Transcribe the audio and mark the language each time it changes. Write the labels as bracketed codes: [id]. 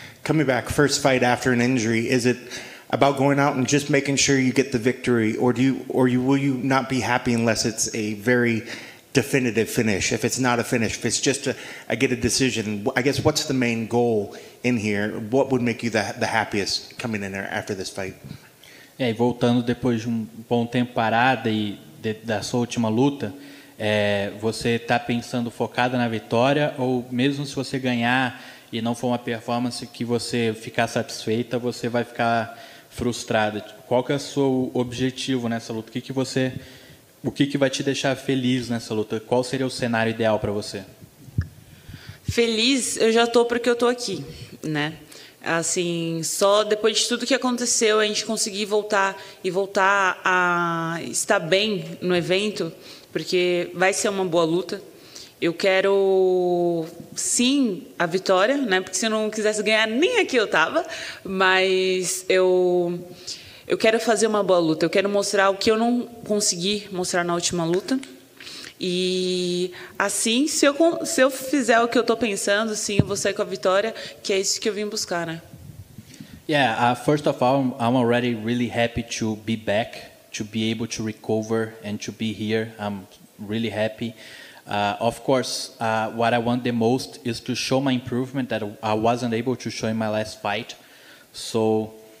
[en] Coming back, first fight after an injury, is it about going out and just making sure you get the victory, or will you not be happy unless it's a very definitive finish? If it's not a finish, if it's just I get a decision, I guess what's the main goal in here? What would make you the happiest coming in there after this fight? [pt] E voltando depois de bom tempo parada e da sua última luta, você está pensando focada na vitória, ou mesmo se você ganhar e não for uma performance que você ficar satisfeita, você vai ficar frustrada? Qual que é o seu objetivo nessa luta? O que que vai te deixar feliz nessa luta? Qual seria o cenário ideal para você? Feliz, eu já tô porque eu tô aqui, né? Assim, só depois de tudo que aconteceu, a gente conseguir voltar a estar bem no evento, porque vai ser uma boa luta. Eu quero, sim, a vitória, né? Porque se eu não quisesse ganhar, nem aqui eu tava. Mas eu quero fazer uma boa luta. Eu quero mostrar o que eu não consegui mostrar na última luta. E, assim, se eu fizer o que eu tô pensando, sim, eu vou sair com a vitória, que é isso que eu vim buscar, né? [en] Yeah, first of all, I'm already really happy to be back, to be able to recover and to be here. I'm really happy. Of course, what I want the most is to show my improvement that I wasn't able to show in my last fight. So